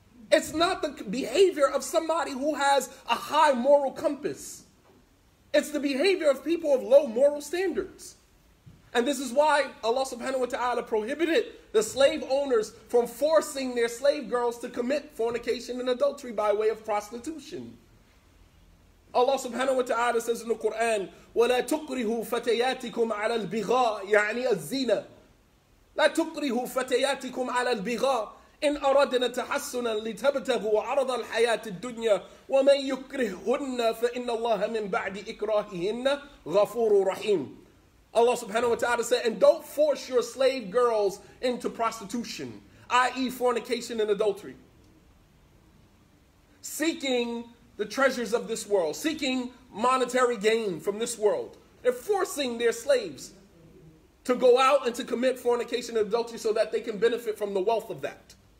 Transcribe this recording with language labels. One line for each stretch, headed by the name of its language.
English: It's not the behavior of somebody who has a high moral compass. It's the behavior of people of low moral standards. And this is why Allah subhanahu wa ta'ala prohibited the slave owners from forcing their slave girls to commit fornication and adultery by way of prostitution. Allah subhanahu wa ta'ala says in the Quran,
Arabic: وَلَا تُقْرِهُوا فَتَيَاتِكُمْ عَلَى الْبِغَاءِ يعني الزِّنَى لَا تُقْرِهُوا فَتَيَاتِكُمْ عَلَى الْبِغَاءِ إِنْ أَرَدْنَ تَحَسُّنًا لِتَبْتَهُوا عَرَضَ الْحَيَاةِ الدُّنْيَا وَمَنْ يُكْرِهُنَّ فَإِنَّ اللَّهَ مِنْ بَعْدِ إِكْرَاهِهِنَّ غَفُورٌ رَحِيمٌ
English: Allah subhanahu wa ta'ala said, and don't force your slave girls into prostitution, i.e. fornication and adultery. Seeking the treasures of this world, seeking monetary gain from this world. They're forcing their slaves to go out and to commit fornication and adultery so that they can benefit from the wealth of that.